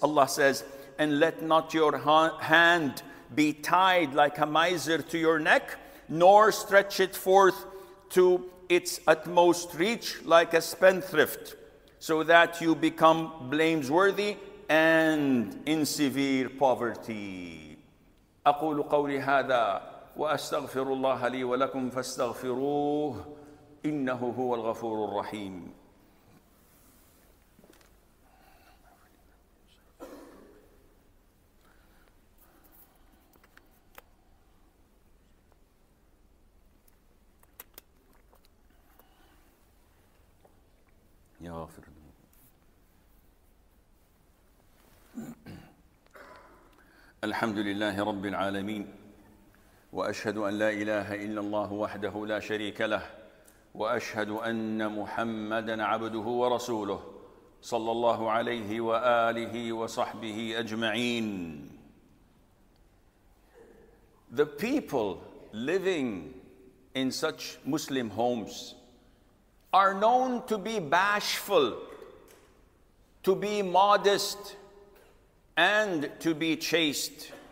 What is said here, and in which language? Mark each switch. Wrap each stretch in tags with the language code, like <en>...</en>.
<en>Allah says, and let not your hand be tied like a miser to your neck, nor stretch it forth to its utmost reach like a spendthrift, so that you become blameworthy and in severe poverty.</en> <ar>أقول قولي هذا وأستغفر الله لي ولكم فاستغفروه إنه هو الغفور الرحيم. يا غافر. الحمد لله رب العالمين، وأشهد أن لا إله إلا الله وحده لا شريك له، وأشهد أن محمدًا عبده ورسوله صلى الله عليه وآله وصحبه أجمعين.</ar> <en>The people living in such Muslim homes are known to be bashful, to be modest, and to be chaste.</en>